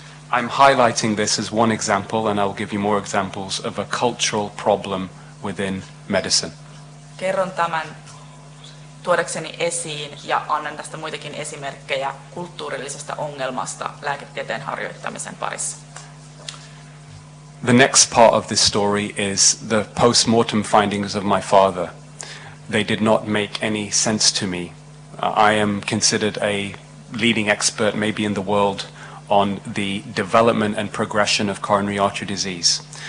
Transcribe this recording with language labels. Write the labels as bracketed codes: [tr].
[en] I'm highlighting this as one example, and I'll give you more examples of a cultural problem within medicine. [fi] Kerron tämän tuodakseni esiin ja annan tästä muitakin esimerkkejä kulttuurillisesta ongelmasta lääketieteen harjoittamisen parissa. [en] The next part of this story is the post-mortem findings of my father. They did not make any sense to me. I am considered a leading expert, maybe in the world, on the development and progression of coronary artery disease.